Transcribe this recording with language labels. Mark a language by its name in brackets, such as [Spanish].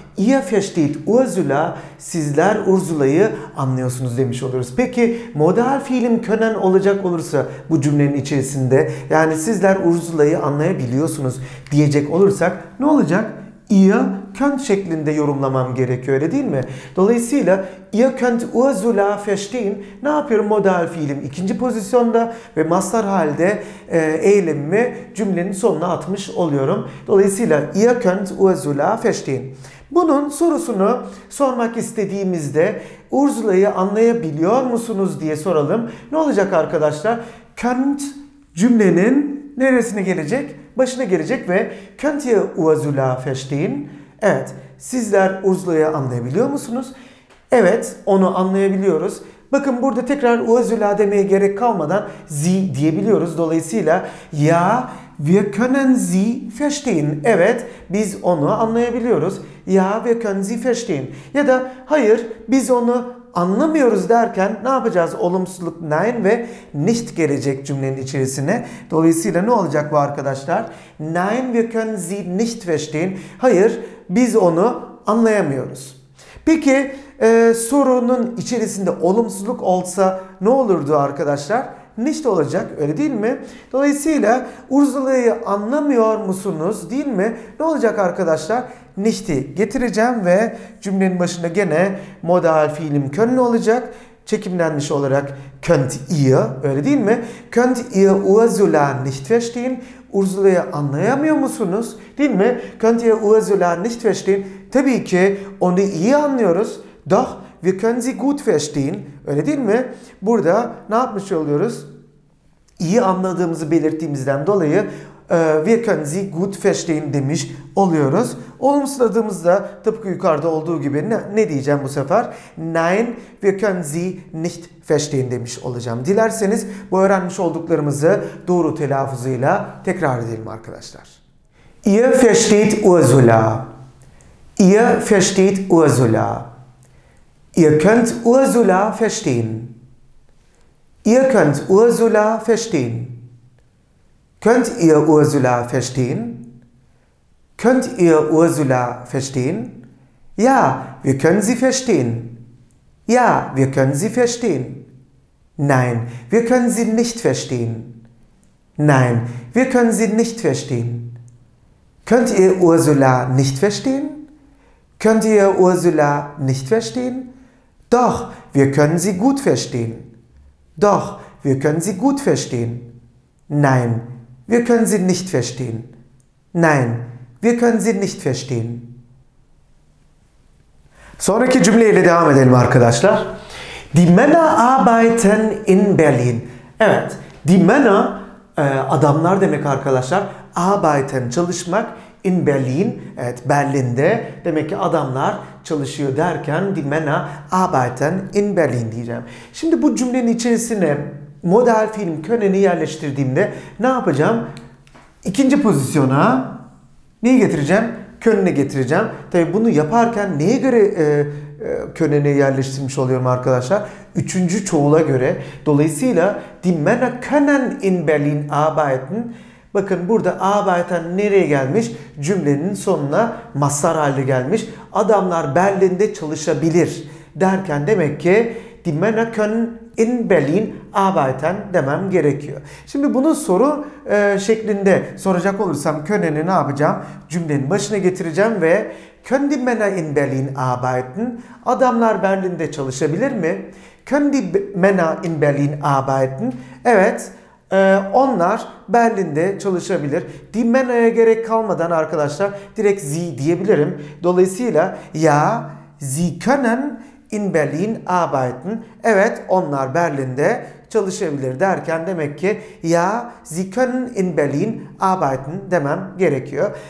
[German] Ihr versteht Ursula. [Turkish] Sizler Ursula'yı anlıyorsunuz demiş oluyoruz. Peki modal fiilim können olacak olursa bu cümlenin içerisinde, yani sizler Ursula'yı anlayabiliyorsunuz diyecek olursak ne olacak? [German] Ihr könnt [Turkish] şeklinde yorumlamam gerekiyor, öyle değil mi? Dolayısıyla [German] ihr könnt Ursula verstehen. [Turkish] Ne yapıyorum? Modal fiilim ikinci pozisyonda ve mastar halde eylemimi cümlenin sonuna atmış oluyorum. Dolayısıyla [German] ihr könnt Ursula verstehen. [Turkish] Bunun sorusunu sormak istediğimizde Ursula'yı anlayabiliyor musunuz diye soralım. Ne olacak arkadaşlar? Könnt cümlenin neresine gelecek? Başına gelecek ve [German] könnt ihr Ursula verstehen? [Turkish] Evet, sizler Ursula'yı anlayabiliyor musunuz? Evet, onu anlayabiliyoruz. Bakın burada tekrar Ursula demeye gerek kalmadan sie diyebiliyoruz. Dolayısıyla [German] ja, wir können sie verstehen. [Turkish] Evet, biz onu anlayabiliyoruz. [German] Ja, wir können sie verstehen. [Turkish] Ya da hayır, biz onu anlamıyoruz derken ne yapacağız? Olumsuzluk nein ve nicht gelecek cümlenin içerisine. Dolayısıyla ne olacak bu arkadaşlar? [German] Nein, wir können sie nicht verstehen. [Turkish] Hayır, biz onu anlayamıyoruz. Peki sorunun içerisinde olumsuzluk olsa ne olurdu arkadaşlar? Nicht olacak, öyle değil mi? Dolayısıyla Ursula'yı anlamıyor musunuz değil mi? Ne olacak arkadaşlar? Nicht'i getireceğim ve cümlenin başında gene modal fiilim können olacak. Çekimlenmiş olarak [German] könnt ihr, [Turkish] öyle değil mi? [German] Könnt ihr Ursula nicht verstehen? [Turkish] Ursula'yı anlayamıyor musunuz değil mi? [German] Könnt ihr Ursula nicht verstehen? [Turkish] Tabii ki onu iyi anlıyoruz. [German] Doch, wir können sie gut verstehen. [Turkish] Öyle değil mi? Burada ne yapmış oluyoruz? İyi anladığımızı belirttiğimizden dolayı [German] wir können sie gut verstehen [Turkish] demiş oluyoruz. Olumsuzladığımızda tıpkı yukarıda olduğu gibi ne diyeceğim bu sefer? [German] Nein, wir können sie nicht verstehen [Turkish] demiş olacağım. Dilerseniz bu öğrenmiş olduklarımızı doğru telaffuzuyla tekrar edelim arkadaşlar. [German] Ihr versteht Ursula. Ihr versteht Ursula. Ihr könnt Ursula verstehen. Ihr könnt Ursula verstehen. Könnt ihr Ursula verstehen? Könnt ihr Ursula verstehen? Ja, wir können sie verstehen. Ja, wir können sie verstehen. Nein, wir können sie nicht verstehen. Nein, wir können sie nicht verstehen. Könnt ihr Ursula nicht verstehen? Könnt ihr Ursula nicht verstehen? Doch, wir können sie gut verstehen. Doch, wir können sie gut verstehen. Nein, wir können sie nicht verstehen. Nein, wir können sie nicht verstehen. [Turkish] Sonraki cümleyle devam edelim arkadaşlar. [German] Die Männer arbeiten in Berlin. [Turkish] Evet, die Männer adamlar demek arkadaşlar. Arbeiten çalışmak. In Berlin, evet Berlin'de demek ki adamlar çalışıyor derken [German] die Männer arbeiten in Berlin [Turkish] diyeceğim. Şimdi bu cümlenin içerisine modal fiilim können'i yerleştirdiğimde ne yapacağım? İkinci pozisyona neyi getireceğim? Können'i getireceğim. Tabii bunu yaparken neye göre können'i yerleştirmiş oluyorum arkadaşlar? Üçüncü çoğula göre. Dolayısıyla [German] die Männer können in Berlin arbeiten. [Turkish] Bakın burada arbeiten nereye gelmiş? Cümlenin sonuna mastar hali gelmiş. Adamlar Berlin'de çalışabilir derken demek ki [German] die Männer können in Berlin arbeiten [Turkish] demem gerekiyor. Şimdi bunu soru şeklinde soracak olursam können'i ne yapacağım? Cümlenin başına getireceğim ve [German] können die Männer in Berlin arbeiten? [Turkish] Adamlar Berlin'de çalışabilir mi? [German] Können die Männer in Berlin arbeiten? [Turkish] Evet. Onlar Berlin'de çalışabilir. Die Männer'a gerek kalmadan arkadaşlar direkt sie diyebilirim. Dolayısıyla [German] ja, sie können in Berlin arbeiten. [Turkish] Evet, onlar Berlin'de çalışabilir derken demek ki ya [German] sie können in Berlin arbeiten [Turkish] demem gerekiyor.